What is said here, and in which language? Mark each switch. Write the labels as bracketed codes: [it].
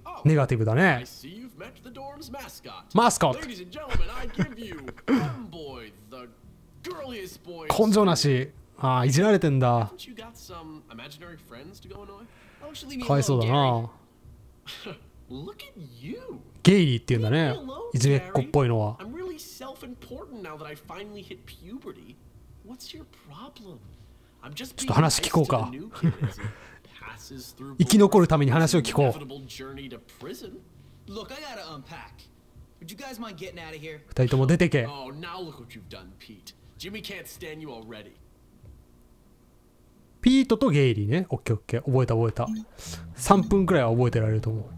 [ja] Oh, ネガティブだね。 [en] I see you've met the dorm's mascot. Mascot. Ladies and gentlemen, I give you Homeboy, the girliest boy. [ja] 根性なし。ああ、いじられてんだ。 [en] Haven't you got some imaginary friends to go annoy? Oh, should leave me alone, Gary. Look at you. [ja] ゲイリーって言うんだね、いじめっ子っぽいのは。 [en] I'm really self-important now that I finally hit puberty. What's your problem? I'm just being nice to the new kids. [ja] 生き残るために話を聞こう。 [en] Inevitable journey to prison. Look, I gotta unpack. Would you guys mind getting out of here? [ja] 二人とも出てけ。 [en] Oh, now look what you've done, Pete. Jimmy can't stand you already. [ja] ピートとゲイリーね。オッケーオッケー。覚えた覚えた。3分くらいは覚えてられると思う。